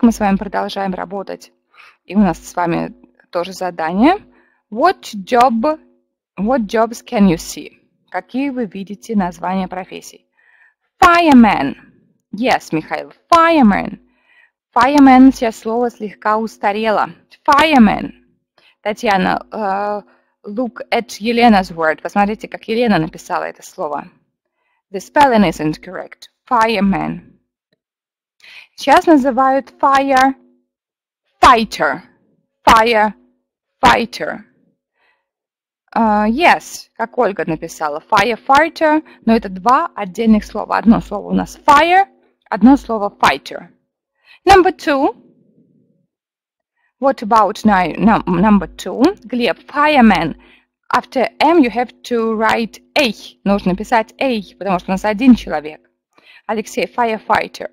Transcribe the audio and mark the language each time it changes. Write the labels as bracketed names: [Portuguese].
[Russian] Мы с вами продолжаем работать. И у нас с вами тоже задание. [English] What jobs can you see? [Russian] Какие вы видите названия профессий? [English] Fireman. Yes, Михаил, fireman. [Russian] Fireman, сейчас слово слегка устарело. [English] Fireman. Татьяна, look at Елена's word. [Russian] Посмотрите, как Елена написала это слово. [English] The spelling isn't correct. Fireman. [Russian] Сейчас называют firefighter. [English] Firefighter. [Russian] Yes, как Ольга написала, firefighter. Но это два отдельных слова. Одно слово у нас fire, одно слово fighter. [English] Number two. What about number two? Глеб, fireman. After M you have to write A. [Russian] Нужно писать A, потому что у нас один человек. Алексей, firefighter.